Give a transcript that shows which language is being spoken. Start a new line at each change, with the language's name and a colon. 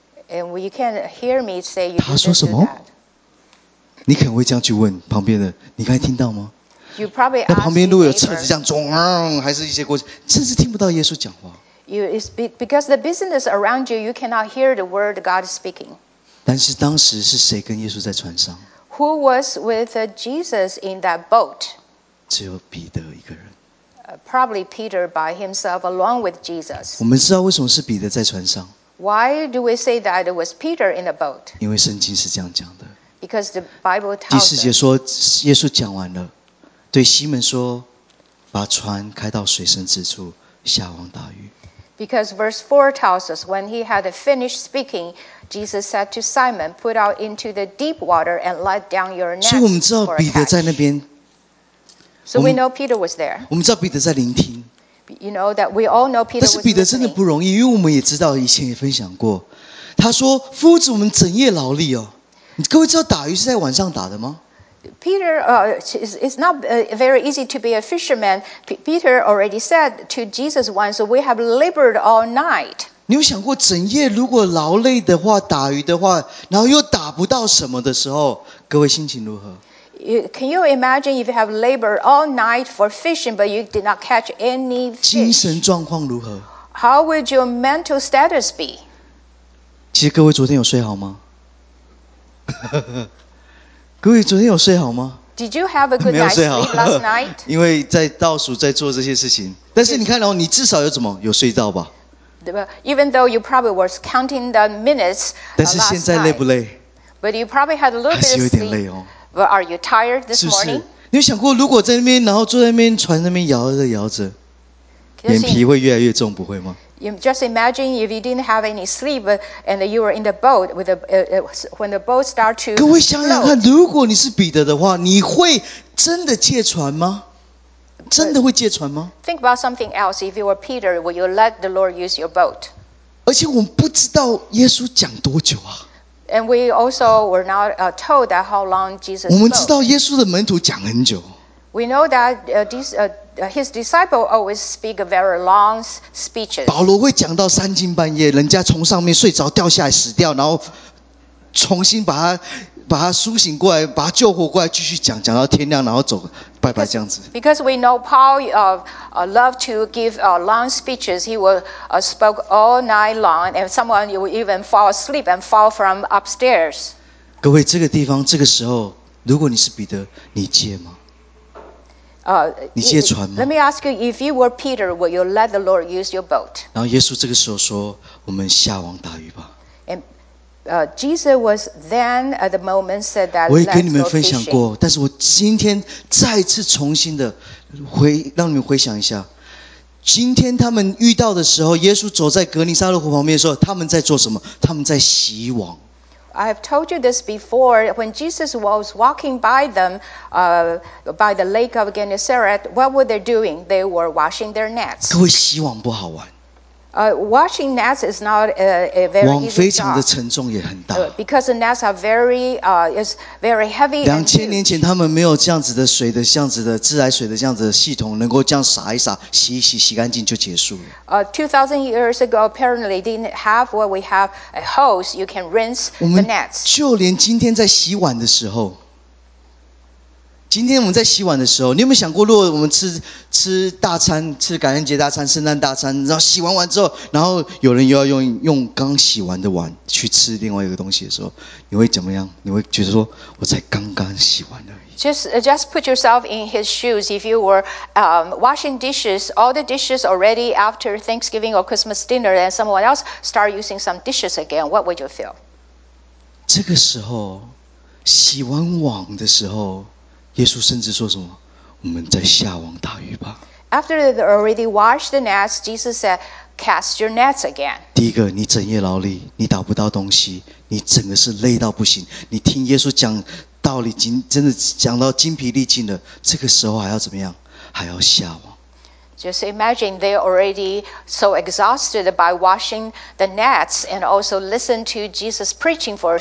English: And you can't hear me say you can't do that.
Chinese: 你可能会这样去问旁边的，你刚才听到吗？
English: You probably ask
Chinese: 那旁边路有车子这样撞，还是一些过去，甚至听不到耶稣讲话。
English: It's because the business around you, you cannot hear the word God is speaking.
Chinese: 但是当时是谁跟耶稣在船上？
English: Who was with Jesus in that boat?
Chinese: 只有彼得一个人。
English: Probably Peter by himself along with Jesus.
Chinese: 我们知道为什么是彼得在船上。
English: Why do we say that it was Peter in the boat?
Chinese: 因为圣经是这样讲的。
English: Because the Bible tells us.
Chinese: 第四节说耶稣讲完了对西门说把船开到水深之处下网打鱼。
English: Because verse 4 tells us, when he had finished speaking, Jesus said to Simon, put out into the deep water and let down your nets.
Chinese: 所以我们知道彼得在那边
English: So we know Peter was there.
Chinese: 我们知道彼得在聆听。
English: you know that we all know Peter.
Chinese: 但是彼得真的不容易，因为我们也知道以前也分享过，他说：“夫子，我们整夜劳力哦。” 各位知道打鱼是在晚上打的吗？
English: Peter, it's not very easy to be a fisherman. Peter already said to Jesus once, "We have labored all night."
Chinese: 你有想过整夜如果劳累的话，打鱼的话，然后又打不到什么的时候，各位心情如何？
English: Can you imagine if you have labored all night for fishing, but you did not catch any fish?
Chinese: 精神状况如何？
English: How would your mental status be?
Chinese: 其实各位昨天有睡好吗？各位昨天有睡好吗？
English: Did you have a good night's sleep last night?
Chinese: 因为在倒数在做这些事情，但是你看哦，你至少有怎么有睡到吧？
English: Even though you probably was counting the minutes last night.
Chinese: 但是现在累不累？
English: But you probably had a little bit of sleep. But are you tired this morning?
Chinese: 是不是？你有想过如果在那边，然后坐在那边船那边摇着摇着，眼皮会越来越重，不会吗？
English: You just imagine if you didn't have any sleep and you were in the boat with when the boat start to.
Chinese: 各位想想看，如果你是彼得的话，你会真的借船吗？真的会借船吗
English: ？Think about something else. If you were Peter, would you let the Lord use your boat?
Chinese: 而且我们不知道耶稣讲多久啊。
English: And we also were not told that how long Jesus spoke.
Chinese: 我们知道耶稣的门徒讲很久。
English: We know that his disciple always speak very long speeches.
Chinese: 保罗会讲到三更半夜，人家从上面睡着掉下来死掉，然后重新把他苏醒过来，把他救活过来，继续讲，讲到天亮，然后走，拜拜这样子。
English: Because we know Paul love to give long speeches. He will spoke all night long, and someone will even fall asleep and fall from upstairs.
Chinese: 各位，这个地方，这个时候，如果你是彼得，你借吗？你借船吗？
English: Let me ask you, if you were Peter, will you let the Lord use your boat?
Chinese: 然后耶稣这个时候说：“我们下网打鱼吧。”
English: And Jesus was then at the moment said that.
Chinese: 我也跟你们分享过，但是我今天再次重新的让你们回想一下，今天他们遇到的时候，耶稣走在格尼撒勒湖旁边的时候，他们在做什么？他们在洗网。
English: I have told you this before. When Jesus was walking by them, by the lake of Gennesaret, what were they doing? They were washing their nets.
Chinese: 各位，洗网不好玩。
English: Washing nets is not a very easy job.
Chinese: 网非常的沉重，也很大。
English: Because the nets are very, is very heavy.
Chinese: 两千年前，他们没有这样子的水的，这样子的自来水的这样子的系统，能够这样洒一洒，洗一洗，洗干净就结束了。
English: 2,000 years ago, apparently didn't have what we have a hose. You can rinse the nets.
Chinese: 就连今天在洗碗的时候。今天我们在洗碗的时候，你有没有想过，如果我们吃大餐，吃感恩节大餐、圣诞大餐，然后洗完碗之后，然后有人又要用刚洗完的碗去吃另外一个东西的时候，你会怎么样？你会觉得说，我才刚刚洗完而已。
English: Just put yourself in his shoes. If you were washing dishes, all the dishes already after Thanksgiving or Christmas dinner, and someone else start using some dishes again, what would you feel?
Chinese: 这个时候，洗完碗的时候。耶稣甚至说什么？我们在下网打鱼吧。
English: After they already washed the nets, Jesus said, "Cast your nets again."
Chinese: 第一个，你整夜劳力，你打不到东西，你整个是累到不行。你听耶稣讲道理，真的讲到精疲力尽了。这个时候还要怎么样？还要下网。
English: Just imagine they already so exhausted by washing the nets and also listen to Jesus preaching for several hours.